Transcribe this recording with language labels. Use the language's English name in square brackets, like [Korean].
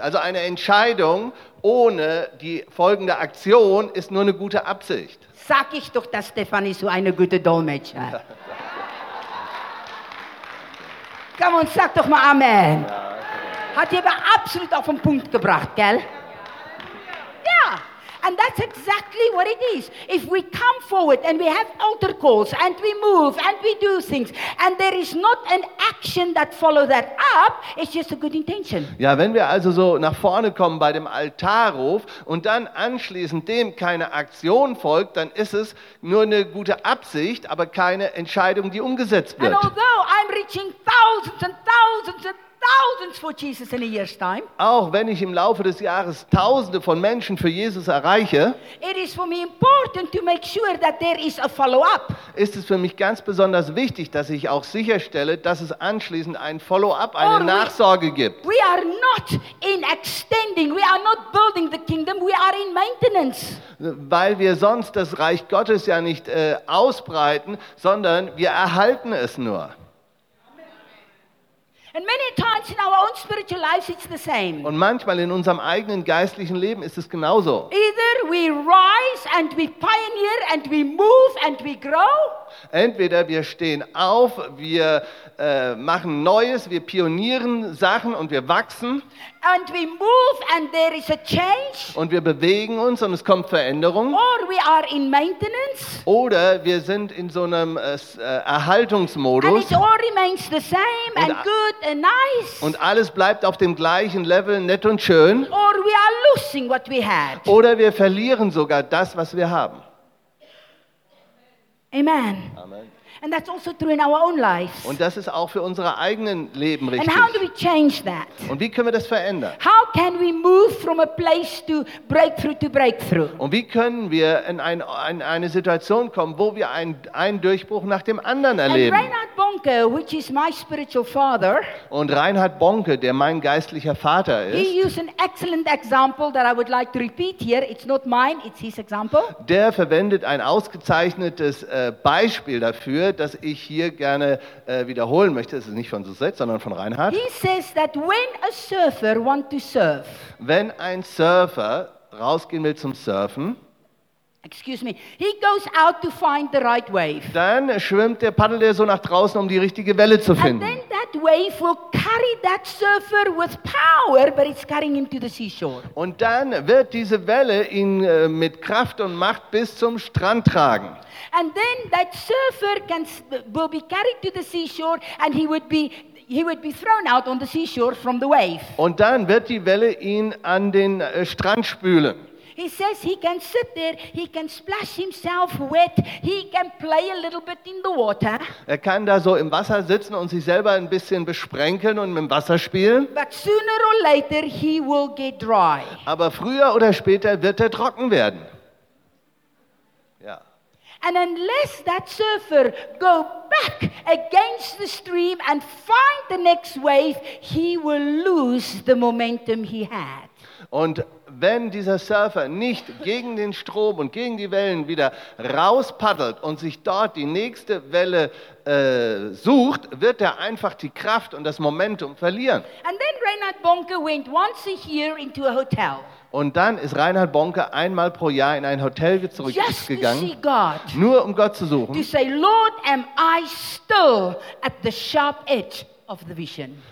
[German] Also eine Entscheidung ohne die folgende Aktion ist nur eine gute Absicht. Sag ich doch, dass Stefanie so eine gute Dolmetscher. Komm und sag doch mal Amen. Hat ihr aber absolut auf den Punkt gebracht, gell? Ja. [English] And that's exactly what it is. If we come forward and we have altar calls and we move and we do things and there is not an action that follows that up, it's just a good intention. [German] Ja, wenn wir also so nach vorne kommen bei dem Altarruf und dann anschließend dem keine Aktion folgt, dann ist es nur eine gute Absicht, aber keine Entscheidung, die umgesetzt wird. [English] And although I'm reaching thousands and thousands and thousands for Jesus in a year's time. [German] Auch wenn ich im Laufe des Jahres Tausende von Menschen für Jesus erreiche, [English] it is for me important to make sure that there is a follow-up. [German] Ist es für mich ganz besonders wichtig, dass ich auch sicherstelle, dass es anschließend ein Follow-up, eine Nachsorge gibt. [English] We are not in extending, we are not building the kingdom, we are in maintenance. [German] Weil wir sonst das Reich Gottes ja nicht ausbreiten, sondern wir erhalten es nur. [English] And many times in our own spiritual lives it's the same. [German] Und manchmal in unserem eigenen geistlichen Leben ist es genauso. [English] Either we rise and we pioneer and we move and we grow. [German] Entweder wir stehen auf, wir machen Neues, wir pionieren Sachen und wir wachsen. [English] And we move and there is a change. [German] Und wir bewegen uns und es kommt Veränderung. [English] Or we are in maintenance. [German] Oder wir sind in so einem Erhaltungsmodus. [English] And it all remains the same and good and nice. [German] Und alles bleibt auf dem gleichen Level, nett und schön. [English] Or we are losing what we had. [German] Oder wir verlieren sogar das, was wir haben. [English] Amen. [German] Amen. [English] And that's also true in our own lives. [German] Und das ist auch für unsere eigenen Leben richtig. [English] And how do we change that? [German] Und wie können wir das verändern? [English] How can we move from a place to breakthrough to breakthrough? [German] Und wie können wir in eine Situation kommen, wo wir einen Durchbruch nach dem anderen erleben? [English] And Reinhard Bonnke, which is my spiritual father. [German] Und Reinhard Bonnke, der mein geistlicher Vater ist. [English] He used an excellent example that I would like to repeat here. It's not mine, it's his example. [German] Der verwendet ein ausgezeichnetes Beispiel dafür, das ich hier gerne wiederholen möchte. Es ist nicht von Suzette, sondern von Reinhard. [English] He says that when a surfer want to surf, [German] wenn ein Surfer rausgehen will zum Surfen, [English] excuse me, he goes out to find the right wave. [German] Dann schwimmt der Paddel der so nach draußen, um die richtige Welle zu finden. [English] And then that wave will carry that surfer with power, but it's carrying him to the seashore. [German] Und dann wird diese Welle ihn mit Kraft und Macht bis zum Strand tragen. [English] And then that surfer will be carried to the seashore and he would be thrown out on the seashore from the wave. [German] Und dann wird die Welle ihn an den Strand spülen. [English] He says he can sit there, he can splash himself wet, he can play a little bit in the water. [German] Er kann da so im Wasser sitzen und sich selber ein bisschen besprenkeln und mit dem Wasser spielen. [English] But sooner or later he will get dry. [German] Aber früher oder später wird er trocken werden. Ja. [English] And unless that surfer go back against the stream and find the next wave, he will lose the momentum he had. [German] Und wenn dieser Surfer nicht gegen den Strom und gegen die Wellen wieder rauspaddelt und sich dort die nächste Welle sucht, wird er einfach die Kraft und das Momentum verlieren. [English] And then Reinhard Bonnke went once a year into a hotel. [German] Und dann ist Reinhard Bonnke einmal pro Jahr in ein Hotel zurückgegangen, nur um Gott zu suchen. [English] To say, Lord, am I still at the sharp edge of the vision?